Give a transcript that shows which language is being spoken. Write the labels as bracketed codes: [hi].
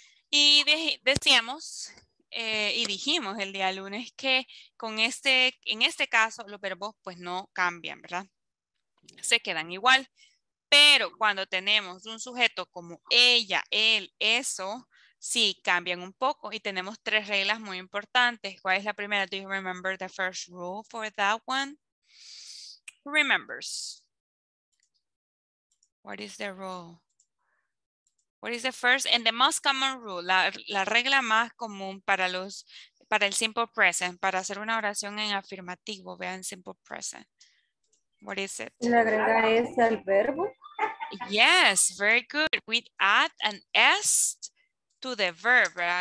[es] Y decíamos, y dijimos el día lunes que con este, en este caso, los verbos pues no cambian, ¿verdad? Se quedan igual. Pero cuando tenemos un sujeto como ella, él, eso, sí, cambian un poco y tenemos tres reglas muy importantes. ¿Cuál es la primera? [en] Do you remember the first rule for that one? Who remembers? What is the rule? What is the first and the most common rule? [es] La regla más común para los para el simple present, para hacer una oración en afirmativo, vean simple present. [en] What is it? [es] La agrega S al verbo. [en] Yes, very good. We add an S to the verb, ¿verdad?